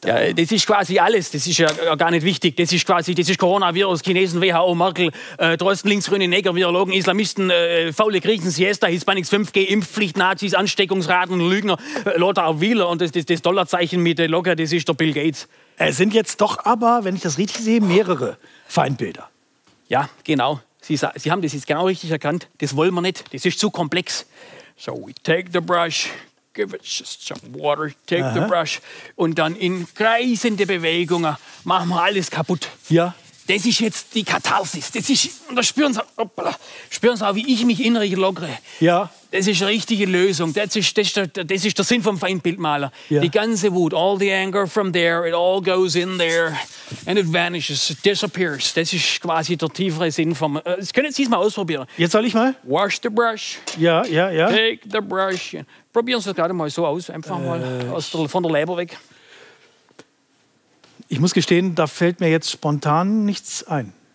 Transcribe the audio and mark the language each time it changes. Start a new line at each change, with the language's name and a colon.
German: da? Ja, das ist quasi alles. Das ist ja gar nicht wichtig. Das ist quasi, das ist Coronavirus, Chinesen, WHO, Merkel, Drosten, Linksgrüne, Neger, Virologen, Islamisten, faule Griechen, Siesta, Hispanics, 5G, Impfpflicht, Nazis, Ansteckungsraten, Lügner, Lothar Wieler und das Dollarzeichen mit der Locker, das ist der Bill Gates. Es sind jetzt doch aber, wenn ich das richtig sehe, mehrere Feindbilder. Ja, genau. Sie haben das jetzt genau richtig erkannt. Das wollen wir nicht. Das ist zu komplex.
English: So, we take the brush. Give it just some water, take the brush.
German: Und dann in kreisende Bewegungen machen wir alles kaputt. Ja. Das ist jetzt die Katharsis. Das ist, und da spüren Sie, wie ich mich innerlich lockere. Ja. Das ist die richtige Lösung. Das ist der Sinn vom Feindbildmaler. Ja. Die ganze Wut,
English: all the anger from there, it all goes in there and it vanishes, it disappears.
German: Das ist quasi der tiefere Sinn vom... Das können Sie es mal ausprobieren. Jetzt soll ich mal?
English: Wash the brush.
German: Ja, ja, ja.
English: Take the brush.
German: Probieren Sie es gerade mal so aus, einfach mal von der Leber weg. Ich muss gestehen, da fällt mir jetzt spontan nichts ein.